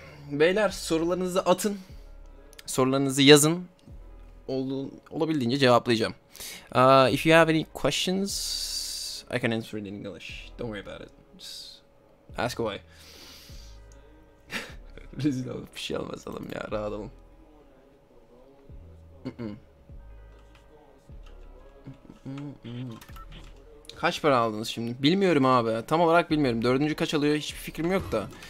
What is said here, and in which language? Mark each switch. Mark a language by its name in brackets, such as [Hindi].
[Turkish] Beyler sorularınızı atın. Sorularınızı yazın. Olabildiğince cevaplayacağım. [English] If you have any questions, I can answer it in English. Don't worry about it. Just ask away. [Turkish] Rezil olup bir şey almaz alalım ya. Rahat olun. Kaç para aldınız şimdi? Bilmiyorum abi. Tam olarak bilmiyorum. Dördüncü kaç alıyor? Hiçbir fikrim yok da.